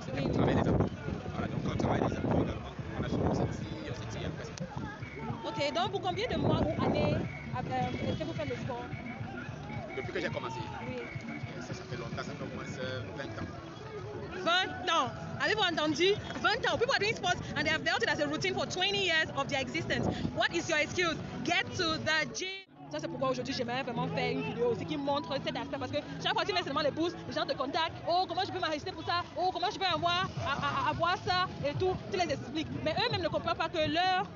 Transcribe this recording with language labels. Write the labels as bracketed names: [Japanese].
[French] C'est pour travailler les abdos. Voilà, donc on travaille les abdos également. On a fini, on s'étire après. Ok, donc pour combien de mois ou années est-ce que vous faites le sport? Depuis que j'ai commencé. Oui. Ça fait longtemps, ça fait au moins 20 ans. 20 ans! Avez-vous entendu? 20 ans! [English] People are doing sports and they have built it as a routine for 20 years of their existence. What is your excuse? Get to the gym! [French] Ça c'est pourquoi aujourd'hui j'aimerais vraiment faire une vidéo aussi qui montre cet aspect, parce que chaque fois que tu mets seulement les pouces, les gens te contactent. Oh, comment je peux m'enregistrer pour ça? Oh, comment je peux avoir ça et tout? Tu les expliques. Mais eux-mêmes ne comprennent pas que leur